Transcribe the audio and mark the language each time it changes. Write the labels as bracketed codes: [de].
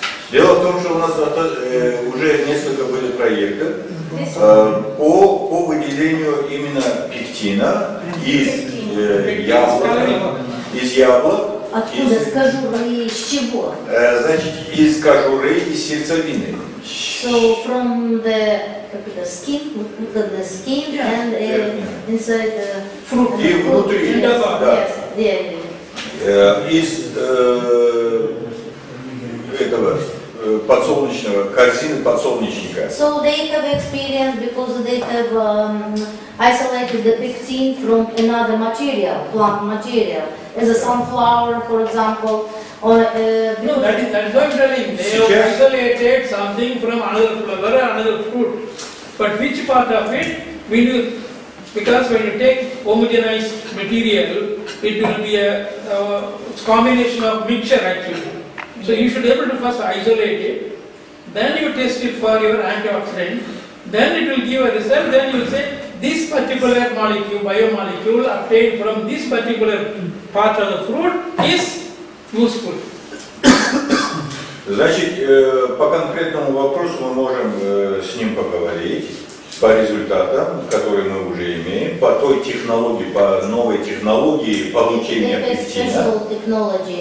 [ru] Дело в том, что у нас уже несколько были проектов по выделению именно пектина из яблок. Откуда? Из кожуры, из чего? Значит, из кожуры, из сердцевины. [en] So from the skin, look at the skin and inside the fruit. [ru] И внутри, [en] yes, [ru] да. [en] Yes, yes. [ru] Из этого подсолнечного, корзины подсолнечника. [en] So they have experience because they have isolated the pectin from another material, plant material. As a sunflower, for example. No, that's what I'm telling. They have isolated something from another flower or another fruit. But which part of it? Because when you take homogenized material, it will be a combination of mixture actually. So you should be able to first isolate it, then you test it for your antioxidant, then it will give a result, then you say this particular molecule, biomolecule obtained from this particular part of the fruit is useful. [ru] Значит, по конкретному вопросу мы можем с ним поговорить по результатам, которые мы уже имеем, по той технологии, по новой технологии получения пектина.